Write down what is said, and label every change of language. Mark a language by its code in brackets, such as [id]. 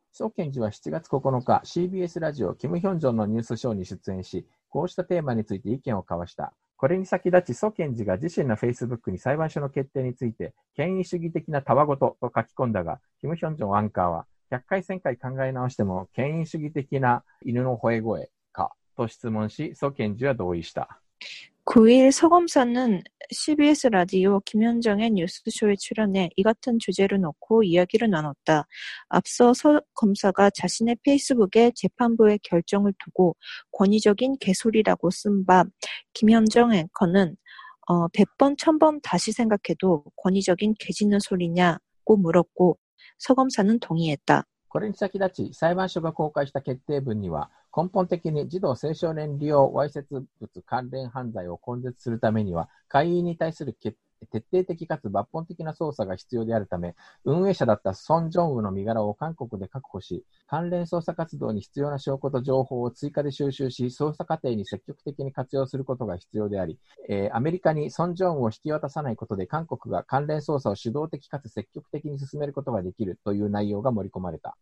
[ja] 송検事は7月9日 CBS ラジオキムヒョンジョンのニュースショーに出演しこうしたテーマについて意見を交わしたこれに先立ち송検事が自身の Facebook に裁判所の決定について権威主義的なたわごとと書き込んだがキムヒョンジョンアンカーは100回1000回考え直しても権威主義的な犬の吠え声かと質問し송検事は同意した [ko] 9일서검사는 CBS 라디오 김현정의 뉴스쇼에 출연해 이 같은 주제를 놓고 이야기를 나눴다. 앞서 서검사가 자신의 Facebook 에 재판부의 결정을 두고 권위적인 개소리라고 쓴 바 김현정 앵커는 100번, 1000번 다시 생각해도 권위적인 개짖는 소리냐고 물었고 서검사는 동의했다. [ja] これに先立ち、裁判所が公開した決定文には、根本的に児童青少年利用わいせつ物関連犯罪を根絶するためには、会員に対する徹底的かつ抜本的な捜査が必要であるため、運営者だったソン・ジョンウの身柄を韓国で確保し、関連捜査活動に必要な証拠と情報を追加で収集し、捜査過程に積極的に活用することが必要であり、アメリカにソン・ジョンウを引き渡さないことで韓国が関連捜査を主導的かつ積極的に進めることができるという内容が盛り込まれた。